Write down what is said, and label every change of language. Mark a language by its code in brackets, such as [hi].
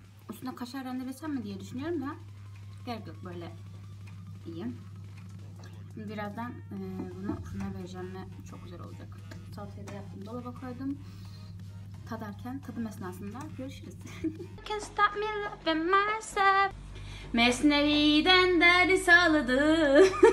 [tr] Üstüne kaşar rendelesem mi diye düşünüyorum da gerek yok, böyle yiyeyim. Şimdi birazdan bunu fırına vereceğim ve çok güzel olacak. Salatayı da yaptım, dolaba koydum. Tadarken, tadım esnasında görüşürüz. [en] Can't stop me loving myself. [tr] Mesnevi'den deri saladı.